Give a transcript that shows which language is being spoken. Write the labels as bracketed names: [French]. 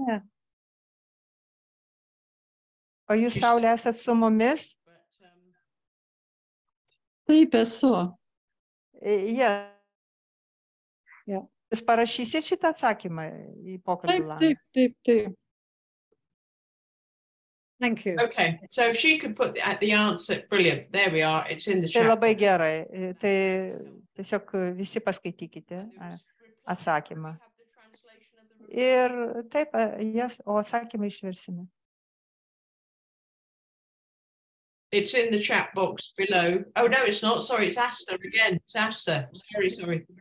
[Lithuanian] Yeah. O jūs, Saulė, esat su mumis? Taip, esu. [English] Yeah. [Lithuanian] Jūs parašysit šitą atsakymą į pokalbį? Taip. [English] Thank you. Okay, so if she could put the answer, brilliant, there we are, it's in the chat. [Lithuanian] Tai labai gerai, tai tiesiog visi paskaitykite atsakymą. Ir taip, yes, o atsakymą išversime. [English] It's in the chat box below. Oh, no, it's not. Sorry, it's Asta again. It's Asta. Sorry.